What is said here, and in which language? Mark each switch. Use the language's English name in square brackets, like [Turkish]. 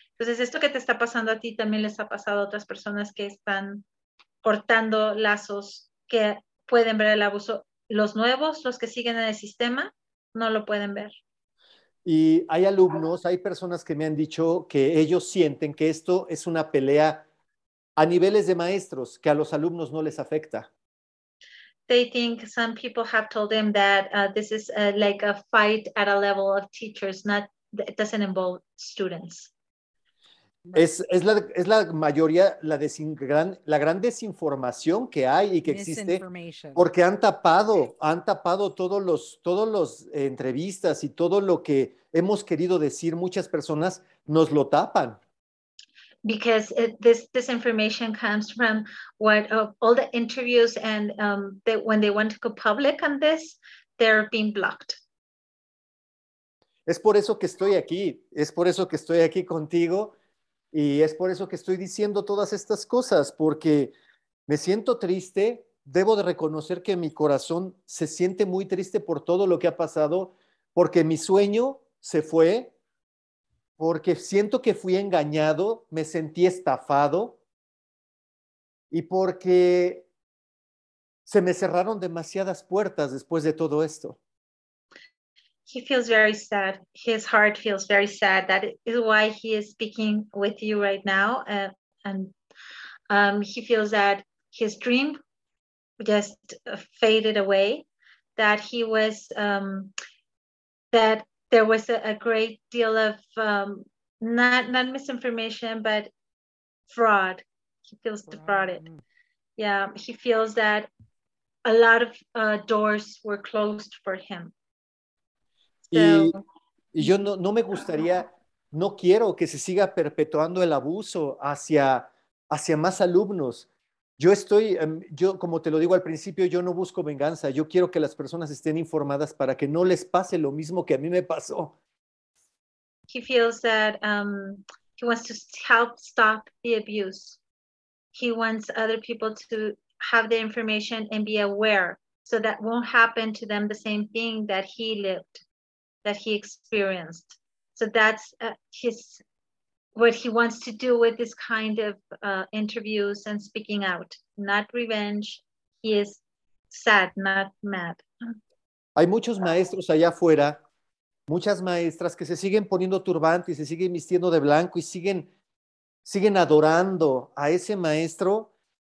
[Spanish] Entonces, esto que te está pasando a ti también les ha pasado a otras personas que están cortando lazos, que pueden ver el abuso. Los nuevos, los que siguen en el sistema, no lo pueden ver. Y hay alumnos, hay personas que me han dicho que ellos sienten que esto es una pelea a niveles de maestros, que a los alumnos no les afecta. [English] They think some people have told them that this is like a fight at a level of teachers, not, it doesn't involve students. [Spanish] Es la mayoría, la gran desinformación que hay y que existe, porque han tapado todos los entrevistas y todo lo que hemos querido decir, muchas personas nos lo tapan. [English] Because this information comes from what all the interviews and when they want to go public on this, they're being blocked. [Spanish] Es por eso que estoy aquí. Es por eso que estoy aquí contigo. Y es por eso que estoy diciendo todas estas cosas, porque me siento triste. Debo de reconocer que mi corazón se siente muy triste por todo lo que ha pasado, porque mi sueño se fue, porque siento que fui engañado, me sentí estafado, y porque se me cerraron demasiadas puertas después de todo esto. [English] He feels very sad. His heart feels very sad. That is why he is speaking with you right now. And he feels that his dream just faded away, that he was, that there was a great deal of, not misinformation, but fraud. He feels defrauded. Yeah, he feels that a lot of doors were closed for him. [Spanish] Y yo no me gustaría, no quiero que se siga perpetuando el abuso hacia más alumnos. Yo estoy, yo como te lo digo al principio, yo no busco venganza. Yo quiero que las personas estén informadas para que no les pase lo mismo que a mí me pasó. [English] He feels that he wants to help stop the abuse. He wants other people to have the information and be aware so that won't happen to them the same thing that he lived. That he experienced. So that's what he wants to do with this kind of interviews and speaking out. Not revenge. He is sad, not mad. [Spanish] Hay muchos maestros allá afuera, muchas maestras que se siguen poniendo turbante y se siguen vistiendo de blanco y siguen adorando a ese maestro.